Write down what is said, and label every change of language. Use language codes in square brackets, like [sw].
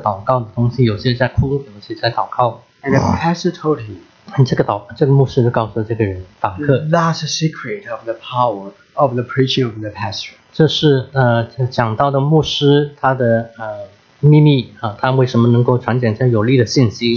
[zh] 这个人就看见、听见、不同的祷告的东西，有些在哭，有些在祷告。 [en] And the pastor told him, [zh] 这个牧师就告诉这个人，祷告。 [en] That's the secret of the power of the preaching of the pastor. [zh] 这是讲道的牧师他的秘密，他为什么能够传讲这有力的信息。